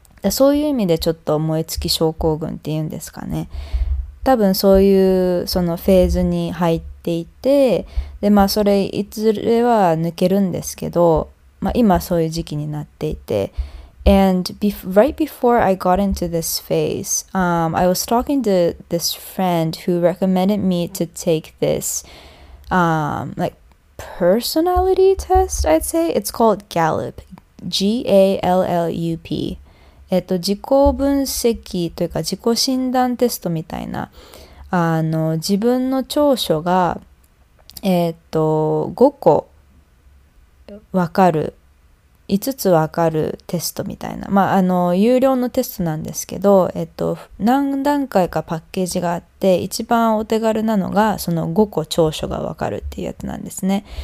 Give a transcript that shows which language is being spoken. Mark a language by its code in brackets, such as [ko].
[ja] そういう意味でちょっと燃え尽き症候群っていうんですかね。多分そういうそのフェーズに入っていて、で、まあそれいずれは抜けるんですけど、まあ今そういう時期になっていて。 [en] And right before I got into this phase, I was talking to this friend who recommended me to take this, like, personality test, I'd say. It's called Gallup. G-A-L-L-U-P. [ja] 自己分析というか自己診断テストみたいな、自分の長所が、5個分かる。 5つわかるテストみたいな。まあ、有料のテストなんですけど、何段階かパッケージがあって、一番お手軽なのが、その5個長所がわかるっていうやつなんですね。